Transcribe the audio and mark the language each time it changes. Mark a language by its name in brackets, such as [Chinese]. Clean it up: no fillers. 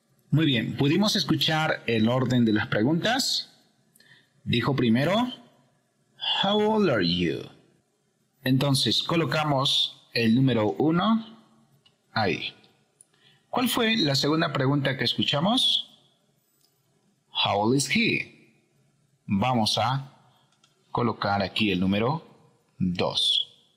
[Spanish] Muy bien, ¿pudimos escuchar el orden de las preguntas? Dijo primero, [English] how old are you? [Spanish] Entonces, colocamos el número 1 ahí. ¿Cuál fue la segunda pregunta que escuchamos? [English] How old is he? [Spanish] Vamos a colocar aquí el número 2.